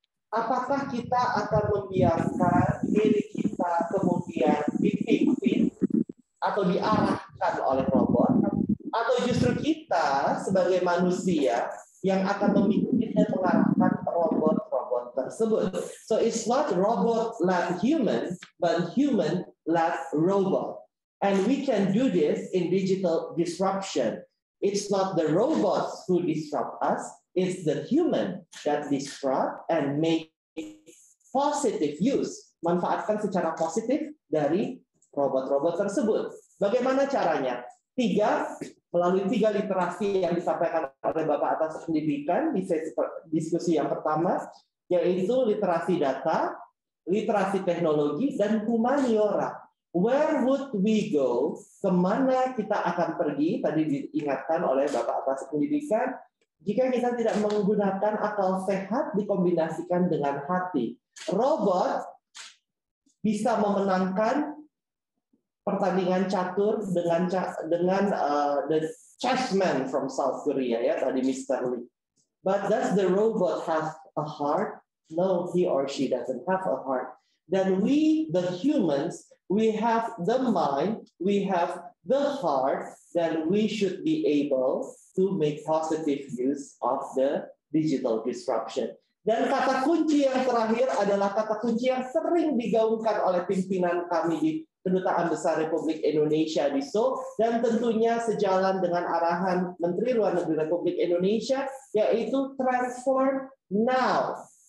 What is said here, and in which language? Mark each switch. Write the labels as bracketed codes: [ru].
[id] Apakah kita akan membiarkan diri kita kemudian dipimpin atau diarahkan oleh robot? Atau justru kita sebagai manusia yang akan memimpin dan mengarahkan robot-robot tersebut? [en] So it's not robot-led human, but human-led robot. And we can do this in digital disruption. It's not the robots who disrupt us, it's the human that disrupt and make positive use, [id] manfaatkan secara positif dari robot-robot tersebut. Bagaimana caranya? Tiga, melalui tiga literasi yang disampaikan oleh Bapak atas pendidikan di sesi diskusi yang pertama, yaitu literasi data, literasi teknologi, dan humaniora. [en] Where would we go? [id] Kemana kita akan pergi? Tadi diingatkan oleh Bapak atas pendidikan, jika kita tidak menggunakan akal sehat dikombinasikan dengan hati. Robot bisa memenangkan pertandingan catur dengan [en] the chessman from South Korea, [id] ya, tadi Mr. Lee. [en] But does the robot have a heart? No, he or she doesn't have a heart. Then we, the humans, we have the mind, we have the heart, then we should be able to make positive use of the digital disruption. [id] Dan kata kunci yang terakhir adalah kata kunci yang sering digaungkan oleh pimpinan kami di Kedutaan Besar Republik Indonesia di Seoul, dan tentunya sejalan dengan arahan Menteri Luar Negeri Republik Indonesia, yaitu [en] transform now.